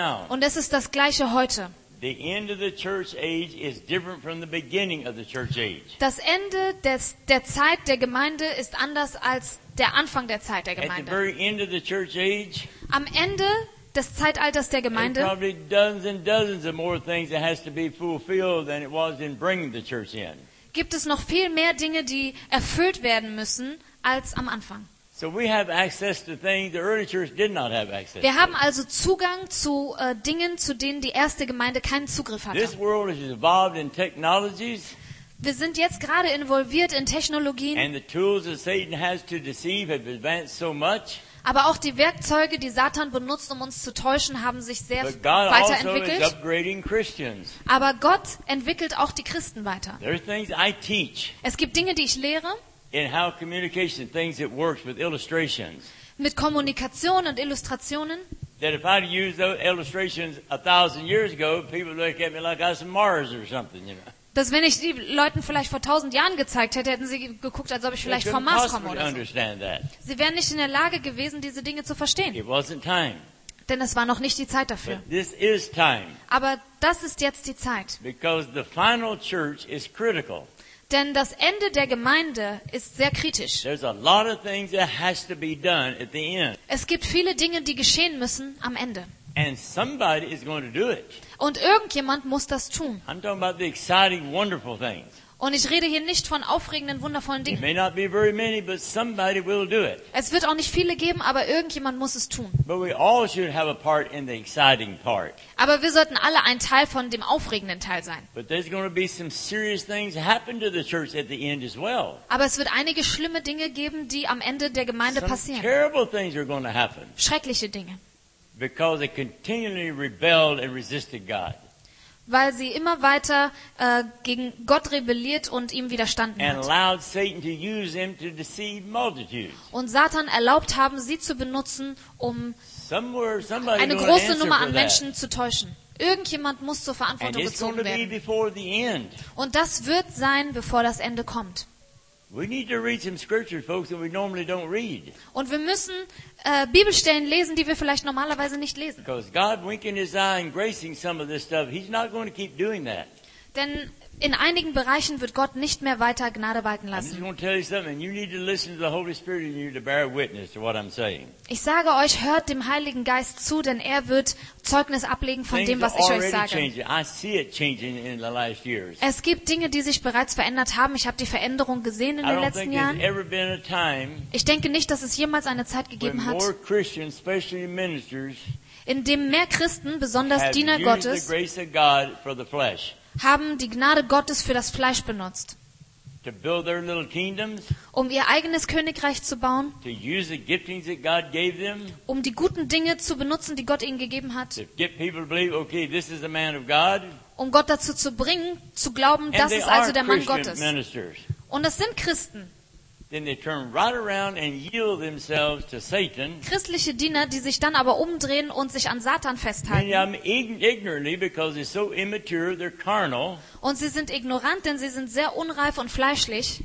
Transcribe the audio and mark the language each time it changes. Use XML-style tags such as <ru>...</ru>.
<de>Und es ist das Gleiche heute. Das Ende der Zeit der Gemeinde ist anders als der Anfang der Zeit der Gemeinde.</de> <en>At the very end of the church age,</en> <de>am Ende des Zeitalters der Gemeinde,</de> <en>there are probably dozens and dozens of more things that has to be fulfilled than it was in bringing the church in.</en> <de>Gibt es noch viel mehr Dinge, die erfüllt werden müssen als am Anfang.</de> <en>So we have access to things the early church did not have access to.</en> <de>Wir haben also Zugang zu Dingen, zu denen die erste Gemeinde keinen Zugriff hatte.</de> <en>This world has evolved in technologies.</en> <de>Wir sind jetzt gerade involviert in Technologien.</de> <en>And the tools that Satan has to deceive have advanced so much.</en> <de>Aber auch die Werkzeuge, die Satan benutzt, um uns zu täuschen, haben sich sehr weiterentwickelt. Aber Gott entwickelt auch die Christen weiter.</de> <en>There are things I teach.</en> <de>Es gibt Dinge, die ich lehre.</de> <en>In how communication things it works with illustrations.</en> <de>Mit Kommunikation und Illustrationen.</de> <en>That if I'd used those illustrations 1,000 years ago, people would look at me like I was Mars or something, you know.</en> <de>Dass wenn ich die Leuten vielleicht vor 1,000 Jahren gezeigt hätte, hätten sie geguckt, als ob ich vielleicht vom Mars komme oder so. Sie wären nicht in der Lage gewesen, diese Dinge zu verstehen.</de> <en>It wasn't time.</en> <de>Denn es war noch nicht die Zeit dafür.</de> <en>But this is time.</en> <de>Aber das ist jetzt die Zeit.</de> <en>Because the final church is critical.</en> <de>Denn das Ende der Gemeinde ist sehr kritisch.</de> <en>There's a lot of things that has to be done at the end.</en> <de>Es gibt viele Dinge, die geschehen müssen am Ende.</de> <en>And somebody is going to do it.</en> <de>Und irgendjemand muss das tun.</de> <en>I'm talking about the exciting, wonderful things.</en> <de>Und ich rede hier nicht von aufregenden, wundervollen Dingen.</de> <en>It may not be very many, but somebody will do it.</en> <de>Es wird auch nicht viele geben, aber irgendjemand muss es tun.</de> <en>But we all should have a part in the exciting part.</en> <de>Aber wir sollten alle ein Teil von dem aufregenden Teil sein.</de> <en>But there's going to be some serious things happen to the church at the end as well.</en> <de>Aber es wird einige schlimme Dinge geben, die am Ende der Gemeinde passieren.</de> <en>Some terrible things are going to happen.</en> <de>Schreckliche Dinge.</de> <en>Because they continually rebelled and resisted God.</en> <de>Weil sie immer weiter gegen Gott rebelliert und ihm widerstanden</de> <en>and</en> <de>hat.</de> <en>Allowed Satan to use him to deceive multitudes.</en> <de>Und Satan erlaubt haben, sie zu benutzen, um eine große Nummer an Menschen zu täuschen. Irgendjemand muss zur Verantwortung gezogen werden.</de> <en>Be before the end.</en> <de>Und das wird sein, bevor das Ende kommt.</de> <en>We need to read some scriptures, folks, that we normally don't read.</en> <de>Und wir müssen Bibelstellen lesen, die wir vielleicht normalerweise nicht lesen.</de> <en>Because God winking his eye and gracing some of this stuff, he's not going to keep doing that.</en> <de>Denn in einigen Bereichen wird Gott nicht mehr weiter Gnade walten lassen.</de> <en>I'm just going to tell you something. You need to listen to the Holy Spirit in you to bear witness to what I'm saying.</en> <de>Ich sage euch, hört dem Heiligen Geist zu, denn er wird Zeugnis ablegen von dem, was ich euch sage.</de> <en>I see it changing in the last years.</en> <de>Es gibt Dinge, die sich bereits verändert haben. Ich habe die Veränderung gesehen in den letzten Jahren. Ich denke nicht, dass es jemals eine Zeit gegeben hat,</de> <en>more Christians, especially ministers,</en> <de>in dem mehr Christen, besonders Diener Gottes,</de> <en>the grace of God for the flesh,</en> <de>haben die Gnade Gottes für das Fleisch benutzt,</de> <en>to build their little kingdoms,</en> <de>um ihr eigenes Königreich zu bauen,</de> <en>to use the giftings that God gave them,</en> <de>um die guten Dinge zu benutzen, die Gott ihnen gegeben hat,</de> <en>to get people to believe, okay, this is a man of God,</en> <de>um Gott dazu zu bringen, zu glauben,</de> <en>and</en> <de>das ist also der Mann</de> <en>Christian</en> <de>Gottes.</de> <en>Ministers.</en> <de>Und das sind Christen.</de> <en>Then they turn right around and yield themselves to Satan.</en> <de>Christliche Diener, die sich dann aber umdrehen und sich an Satan festhalten. Ignorantly because they're so immature, they're carnal. Und sie sind ignorant, denn sie sind sehr unreif und fleischlich.</de>